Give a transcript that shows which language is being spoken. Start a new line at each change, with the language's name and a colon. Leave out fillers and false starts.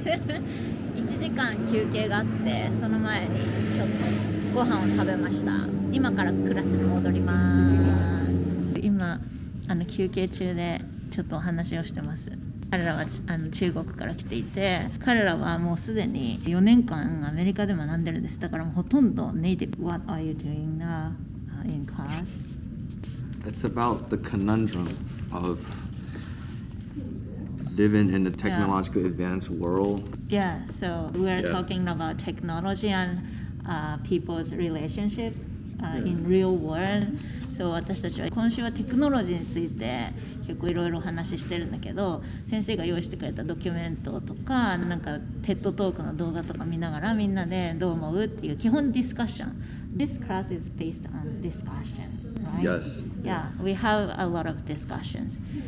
Japanese: Hi. 1時間休憩があって、その前にちょっとご飯を食べました。今からクラスに戻ります。今休憩中でちょっとお話をしてます。彼らは中国から来ていて、彼らはもうすでに4年間アメリカで学んでるんです。だからもうほとんどネイティブ。
English: What are you doing in class? It's about the conundrum of living in a technologically advanced world. Yeah, so we are talking about technology and people's relationships. in real world.
Japanese: So, 私たちは今週はテクノロジーについて結構いろいろ話してるんだけど、先生が用意してくれたドキュメントとか、なんかテッドトークの動画とか見ながらみんなでどう思うっていう基本ディスカッション。
English: This class is based on discussion, right? Yes. Yeah, we have a lot of discussions.